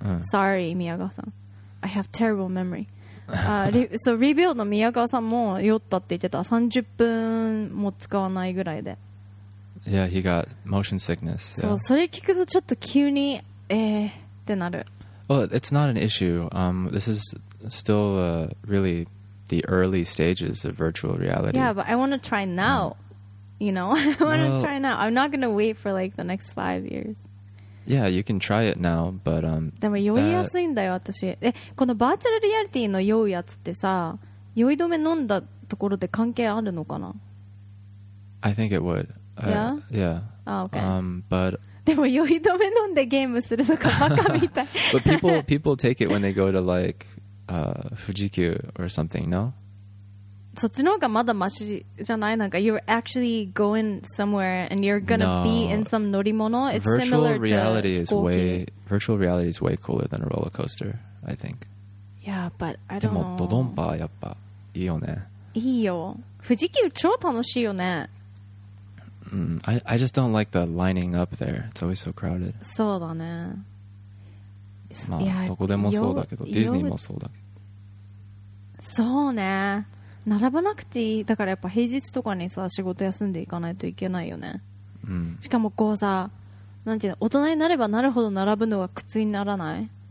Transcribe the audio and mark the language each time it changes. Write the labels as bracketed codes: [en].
[en] Sorry, Miyagawa-san. I have terrible memory. So, Rebuild の Miyagawa-san [ja] も酔ったって言ってた。 30分も使わないぐらいで。 [en] Yeah, he got motion sickness. [ja] そう、yeah. それ聞くとちょっと急に、ってなる。 [en] Well, it's not an issue. This is still really the early stages of virtual reality. Yeah, but I want to try now. You know, I want to try now. I'm not going to wait for like the next 5 years. Yeah, you can try it now, but... [ja] でも酔いやすいんだよ、私。え、このバーチャルリアリティの酔うやつってさ、酔い止め飲んだところで関係あるのかな? [en] I think it would. Yeah. Okay. But but people take it when they go to like Fujikyu or something, no? You're actually going somewhere and you're going to be in some norimono. It's similar to reality is way virtual reality is way cooler than a roller coaster, I think. Yeah, but I don't know. [ja] ドドンパ やっぱ いいよね。いいよ。富士急 超楽しいよね。 [en] I just don't like the lining up there. It's always so crowded. [ja] そうだね。まあどこでもそうだけど、 ディズニー もそうだけど。そうね。並ばなくていい。だからやっぱ平日とかにさ、 仕事休んでいかないといけないよね。しかもこうさ、 なんていうの、 大人になればなるほど並ぶのが苦痛にならない？